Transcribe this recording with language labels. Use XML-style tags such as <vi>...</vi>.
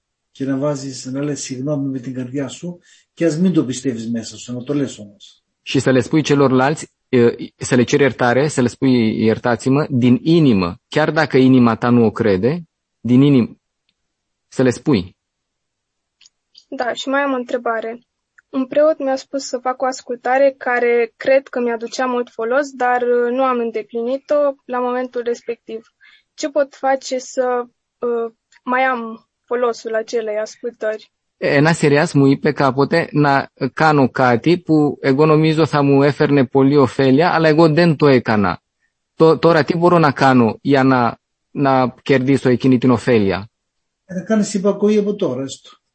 <el>Και να βάζεις, να λες συγγνώμη με την καρδιά σου και ας μην το πιστεύεις μέσα σου, να το λες όμως.</el> <ro>Și să le spui celorlalți, să le ceri iertare, să le spui iertați-mă, din inimă, chiar dacă inima ta nu o crede, din inimă, să le spui. Da, și mai am o întrebare. Un preot mi-a spus să fac o ascultare care cred că mi-aducea mult folos, dar nu am îndeplinit-o la momentul respectiv. Ce pot face să mai am folosul acelei ascultări?</ro> <el>Ένα σειρά μου είπε κάποτε να κάνω κάτι που εγώ νομίζω θα μου έφερνε πολύ ωφέλεια, αλλά εγώ δεν το έκανα. Τώρα τι μπορώ να κάνω για να κερδίσω εκείνη την ωφέλεια? Να κάνεις υπακοή από τώρα, έστω.</el>